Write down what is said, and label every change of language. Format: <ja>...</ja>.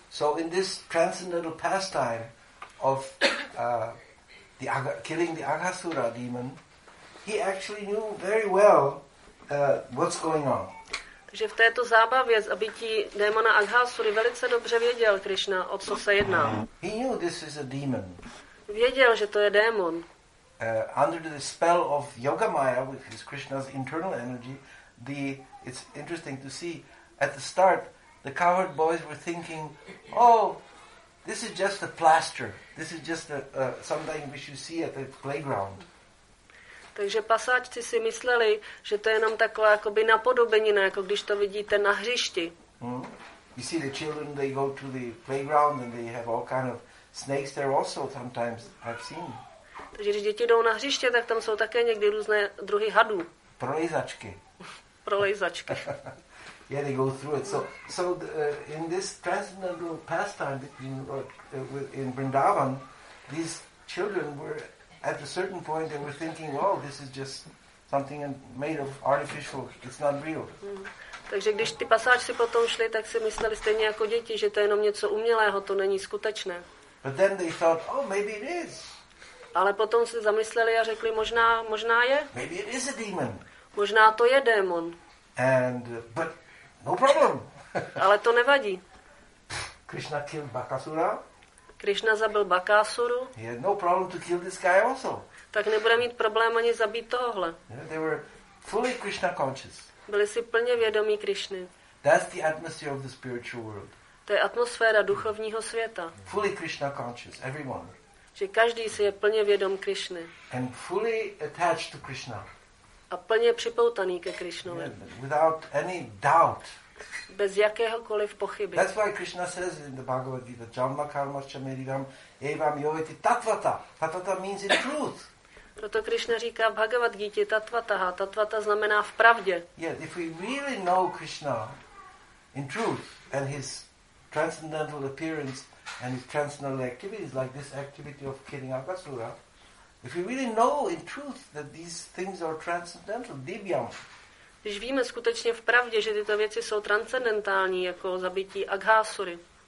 <en>So in this transcendental pastime of the killing the Aghasura demon, he actually knew very well what's going on.</en> <cs>Takže v této zábavě zabití démona Aghasury velice dobře věděl Krishna, o co se jedná.</cs> <en>He knew this is a demon.</en> <cs>Věděl, že to je démon.</cs> <en>Under the spell of Yogamaya, which is Krishna's internal energy, it's interesting to see, at the start, the cowherd boys were thinking, oh, this is just a plaster, this is just something which you see at the playground.</en> <cs>Takže pasáčci si mysleli, že to je jenom taková jakoby napodobenina, jako když to vidíte na hřišti.</cs> <en>You see the children, they go to the playground and they have all kind of snakes there also sometimes I've seen.</en> <cs>Takže když děti jdou na hřiště, tak tam jsou také někdy různé druhy hadů. Prolejzačky. Prolejzačky.</cs> <en>Yeah, they go through it. So in this transcendental pastime in Vrindavan, these children were at a certain point they were thinking, oh, this is just something made of artificial, it's not real.</en> <cs>Takže když ty pasáčci potom šli, tak si mysleli stejně jako děti, že to je jenom něco umělého, to není skutečné.</cs> <en>But then they thought, oh, maybe it is.</en> <cs>Ale potom si zamysleli a řekli, možná je.</cs> <en>Maybe it is a demon.</en> <cs>Možná to je démon.</cs> <en>And but no problem.</en> <cs>Ale to nevadí.</cs> <en>Krishna killed Bakasura.</en> <cs>Krishna zabil Bakásuru.</cs> <en>He had no problem to kill this guy also.</en> <cs>Tak nebude mít problém ani zabít tohle.</cs> <en>Yeah, they were fully Krishna conscious.</en> <cs>Byli si plně vědomí Krishny.</cs> <en>That's the atmosphere of the spiritual world.</en> <cs>To je atmosféra duchovního světa.</cs> <en>Fully Krishna conscious, everyone.</en> <cs>Že každý si je plně vědom Krishny.</cs> <en>And fully attached to Krishna.</en> <cs>A plně připoutaný ke Krishnovi.</cs> <en>Yeah, without any doubt.</en> <cs>Bez jakéhokoliv pochyby.</cs> <en>That's why Krishna says in the Bhagavad Gita,</en> <sa>"Janma karma cha meridam evam yoeti tatvata."</sa> <en>Tatvata means in truth.</en> <cs>Proto Krishna říká v Bhagavad Gita tatvataha. Tatvata znamená v pravdě.</cs> <en>Yeah, if we really know Krishna in truth and his transcendental appearance and his transcendental activities, like this activity of killing Akasura, if we really know in truth that these things are transcendental, divyam.</en> <cs>Když víme skutečně v pravdě, že tyto věci jsou transcendentální, jako zabití Aghasury,</cs>